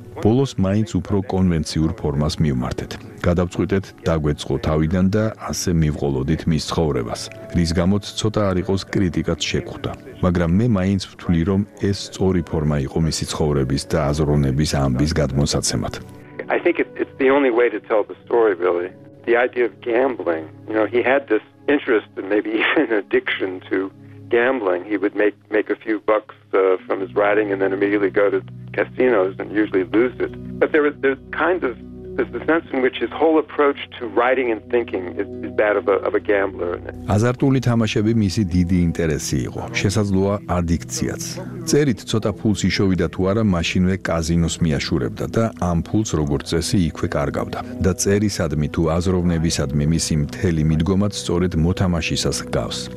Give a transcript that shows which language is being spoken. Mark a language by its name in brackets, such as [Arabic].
[Georgian] ბოლოს მაინც უფრო კონვენციურ ფორმას მივმართეთ. გადავწყვიტეთ დაგვეწყო თავიდან და ასე მივყოლოდით მის ცხოვრებას, რის გამოც ცოტა არ იყოს კრიტიკაც შეგხვდა. მაგრამ მე მაინც ვთვლი, რომ ეს სწორი ფორმა იყო მისი ცხოვრების და აზროვნების ამბის გადმოსაცემად. [English] I think it's the only way to tell the story really. The idea of gambling, you know, he had this interest and maybe even addiction to gambling. He would make a few bucks from his writing and then immediately go to casinos and usually lose it. But there's the sense in which his whole approach to writing and thinking is that of a gambler. [Georgian] აზარტული თამაშები მისი დიდი ინტერესი იყო, შესაძლოა ადიქციაც. წერით ცოტა ფულს იშოვიდა თუ არა, მაშინვე კაზინოს მიაშურებდა და ამ ფულს როგორც წესი იქვე კარგავდა. და წერისადმი თუ აზროვნებისადმი მისი მთელი მიდგომაც სწორედ მოთამაშისას გავს.